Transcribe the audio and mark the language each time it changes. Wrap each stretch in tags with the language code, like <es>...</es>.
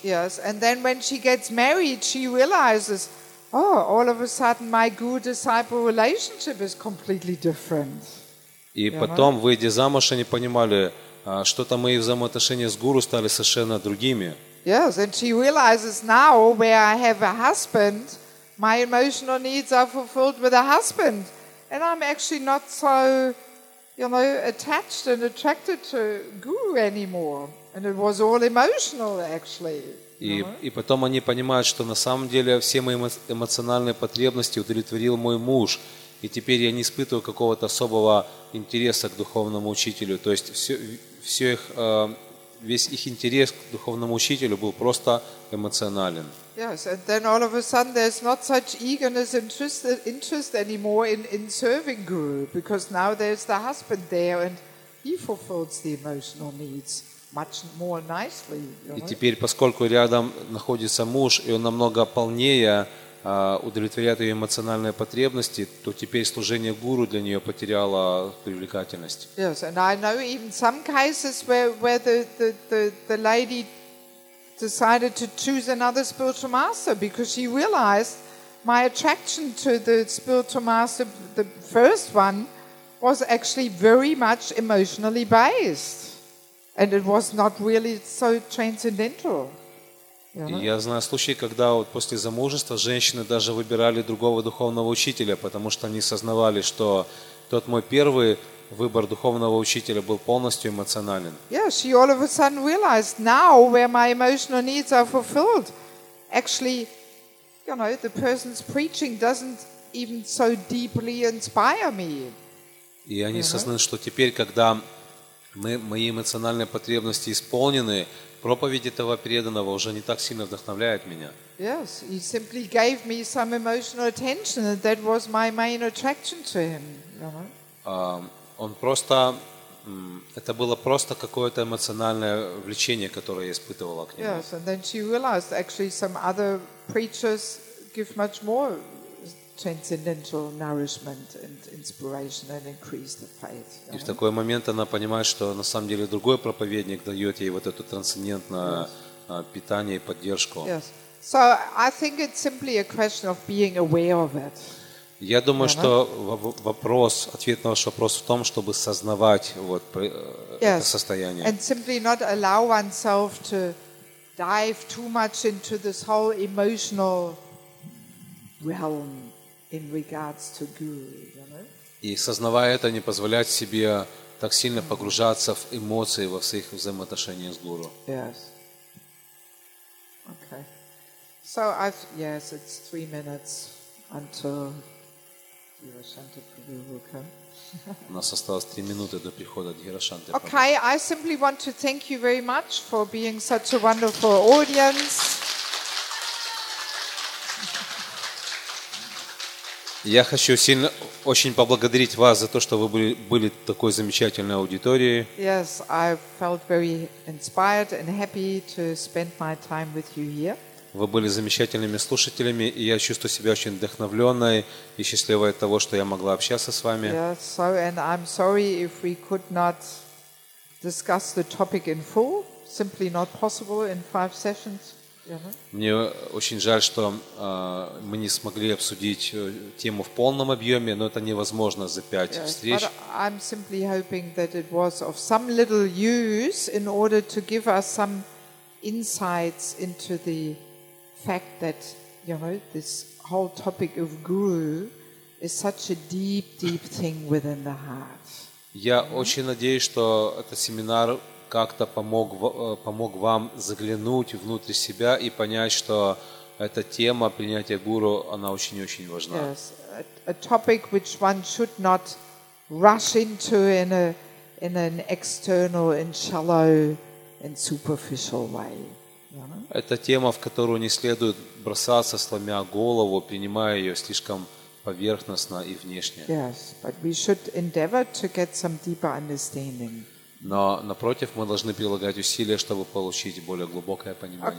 <en>Yes, and then when she gets married, she realizes, oh, all of a sudden my guru-disciple relationship is completely different.</en> <ru>И потом, выйдя замуж, они понимали, что-то мои взаимоотношения с гуру стали совершенно другими.</ru> <en>Yes, and she realizes now, where I have a husband, my emotional needs are fulfilled with a husband, and I'm actually not so, you know, attached and attracted to guru anymore. And it was all emotional, actually.</en> <ru>И потом они понимают, что на самом деле все мои эмоциональные потребности удовлетворил мой муж. И теперь я не испытываю какого-то особого интереса к духовному учителю. То есть все их, весь их интерес к духовному учителю был просто эмоционален.</ru> <en>Yes, and then all of a sudden there's not such eagerness and interest anymore in serving Guru, because now there's the husband there and he fulfills the emotional needs. Much more nicely, you know?</en> <ru>И теперь, поскольку рядом находится муж, и он намного полнее удовлетворяет ее эмоциональные потребности, то теперь служение гуру для нее потеряло привлекательность.</ru> <en>Yes, and I know even some cases where the lady decided to choose another spiritual master because she realized my attraction to the spiritual master, the first one, was actually very much emotionally based. And it was not really so transcendental.</en> <ru>Я знаю случаи, когда вот после замужества женщины даже выбирали другого духовного учителя, потому что они сознавали, что тот мой первый выбор духовного учителя был полностью эмоционален.</ru> <en>Yeah, she all of a sudden realized now where my emotional needs are fulfilled. Actually, you know, the person's preaching doesn't even so deeply inspire me.</en> <ru>И они сознали, что теперь, когда мои эмоциональные потребности исполнены, проповедь этого преданного уже не так сильно вдохновляет меня.</ru> <en>Yes, he simply gave me some emotional attention, and that was my main attraction to him.</en> <ru>Он просто, это было просто какое-то эмоциональное влечение, которое я испытывала к нему.</ru> <en>Yes, and then she realized actually some other preachers give much more transcendental nourishment and inspiration and increase the faith.</en> <ru>И в такой момент она понимает, что на самом деле другой проповедник дает ей вот это трансцендентное питание и поддержку.</ru> <en>Yes. So I think it's simply a question of being aware of it.</en> <ru>Я думаю, что вопрос, ответ на ваш вопрос в том, чтобы сознавать вот это состояние.</ru> <en>And simply not allow oneself to dive too much into this whole emotional realm. In regards to guru, you know?</en> <ru>И сознавая это, не позволять себе так сильно погружаться в эмоции во всех взаимоотношениях с гуру.</ru> <en>Yes. Okay. So yes, it's 3 minutes until Dhirashanta Prabhu will come.</en> <ru>У нас осталось 3 минуты до прихода Дхирашанты</ru> <en>Прабху. Okay, I simply want to thank you very much for being such a wonderful audience.</en> <ru>Я хочу сильно очень поблагодарить вас за то, что вы были такой замечательной аудиторией.</ru> <en>Yes, I felt very inspired and happy to spend my time with you here.</en> <ru>Вы были замечательными слушателями, и я чувствую себя очень вдохновленной и счастливой от того, что я могла общаться с вами.</ru> <en>Yes, so and I'm sorry if we could not discuss the topic in full, simply not possible in 5 sessions.</en> <ru>Мне очень жаль, что мы не смогли обсудить тему в полном объеме, но это невозможно за 5 встреч.</ru> <en>I'm simply hoping that it was of some little use in order to give us some insights into the fact that, you know, this whole topic of guru is such a deep, deep thing within the heart.</en> <ru>Я очень надеюсь, что этот семинар как-то помог вам заглянуть внутрь себя и понять, что эта тема принятия гуру, она очень-очень важна.</ru> <en>Yes, a topic which one should not rush into in an external and shallow and superficial way.</en> <ru>Это тема, в которую не следует бросаться, сломя голову, принимая ее слишком поверхностно и внешне.</ru> <en>Yes, but we should endeavor to get some deeper understanding.</en> <ru>Но, напротив, мы должны прилагать усилия, чтобы получить более глубокое понимание.</ru>